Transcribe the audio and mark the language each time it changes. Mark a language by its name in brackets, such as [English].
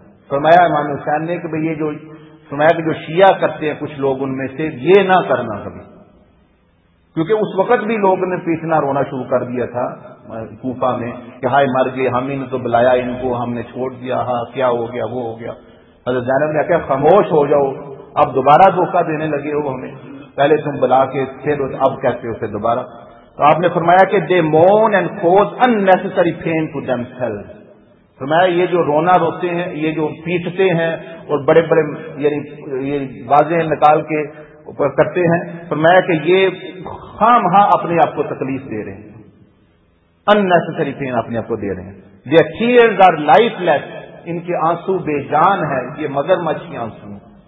[Urdu] فرمایا امام حسین نے کہ بھئی یہ جو فرمایا کہ جو شیعہ کرتے ہیں کچھ لوگ ان میں سے, یہ نہ کرنا کبھی, کیونکہ اس وقت بھی لوگوں نے پیٹنا رونا شروع کر دیا تھا کوفہ میں کہ ہائے مر گئے, ہم ہی نے تو بلایا ان کو, ہم نے چھوڑ دیا, ہاں کیا ہو گیا, وہ ہو گیا. حضرت زینب نے کہا خاموش ہو جاؤ, اب دوبارہ دھوکہ دینے لگے ہو ہمیں, پہلے تم بلا کے پھر اب کہتے ہو پھر دوبارہ. [English] تو آپ نے فرمایا کہ they moan and cause unnecessary pain to themselves. [Urdu] فرمایا یہ جو رونا روتے ہیں, یہ جو پیٹتے ہیں اور بڑے بڑے یعنی یہ بازیں نکال کے اوپر کرتے ہیں, فرمایا کہ یہ خام ہاں اپنے آپ کو تکلیف دے رہے ہیں, [English] unnecessary pain [Urdu] اپنے آپ کو دے رہے ہیں. [English] their tears are lifeless, [Urdu] ان کے آنسو بے جان ہے, یہ مگر مچھ کے آنسو ہیں.